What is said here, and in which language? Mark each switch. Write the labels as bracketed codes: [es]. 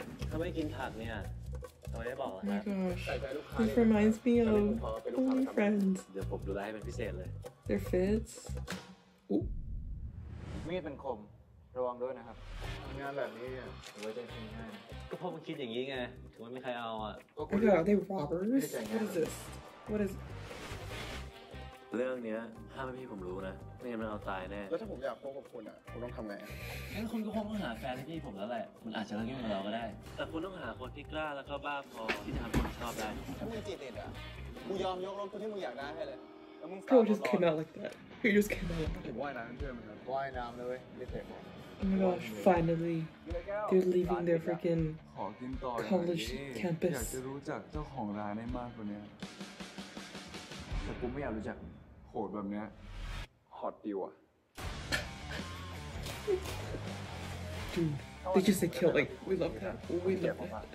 [th] ถ้าไม่กินผักเนี่ยทำไมได้บอก [en] นะ my gosh this reminds me of all my friends [th] เดี๋ยวผมดูแลให้เป็นพิเศษเลย [en] their fits [th] มีดมันคมระวังด้วยนะครับ งานแบบนี้เนี่ย ไว้ใจใครง่าย ก็เพราะมันคิดอย่างนี้ไงถึงไม่มีใครเอาอ่ะ ก็คือ [en] they robbers what is this what is [th] เรื่องนี้ห้ามให้พี่ผมรู้นะไม่งั้นมันเอาตายแน่ แล้วถ้าผมอยากพบกับคุณอ่ะผมต้องทำไง แล้วคุณก็คงต้องหาแฟนให้พี่ผมแล้วแหละคุณอาจจะเลิกกับเราก็ได้แต่คุณต้องหาคนที่กล้าแล้วก็บ้าพอที่จะทำคนชอบได้ถ้ามึงจีบเด็ดอ่ะมึงยอมยกรถที่มึงอยากได้ให้เลยแล้วมึง [en] ก็ just came out like that he just came out [th] ถึงว่ายน้ำด้วยมั้ยครับว่ายน้ำเลยนี่เตะ [en] Oh my gosh, finally, they're leaving their freaking college campus. [th] อยากจะรู้จักเจ้าของร้านได้มากกว่านี้แต่กูไม่อยากรู้จักโหดแบบนี้ [en] hot deal [th] อะ [en] Dude, they just say kill, like, we love that, we love that.